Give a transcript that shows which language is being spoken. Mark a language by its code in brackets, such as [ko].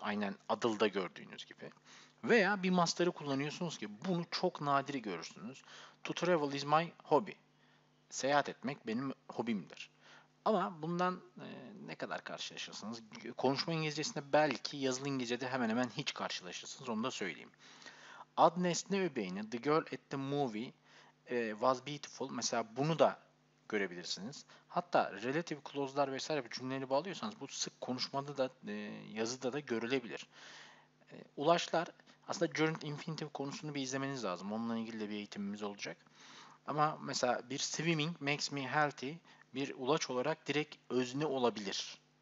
[tr] Aynen adılda gördüğünüz gibi. Veya bir master'ı kullanıyorsunuz ki bunu çok nadir görürsünüz. [en] To travel is my hobby. [tr] Seyahat etmek benim hobimdir. Ama bundan ne kadar karşılaşırsınız? Konuşma İngilizcesinde belki, yazılı İngilizcede hemen hemen hiç karşılaşırsınız. Onu da söyleyeyim. Ad nesne öbeğini, [en] the girl at the movie was beautiful. [tr] Mesela bunu da görebilirsiniz. Hatta relative clause'lar vesaire cümleleri bağlıyorsanız bu sık konuşmada da, yazıda da görülebilir. Ulaşlar, aslında gerund infinitive konusunu bir izlemeniz lazım. Onunla ilgili de bir eğitimimiz olacak. Ama mesela bir [en] swimming makes me healthy [tr] bir ulaç olarak direkt özne olabilir.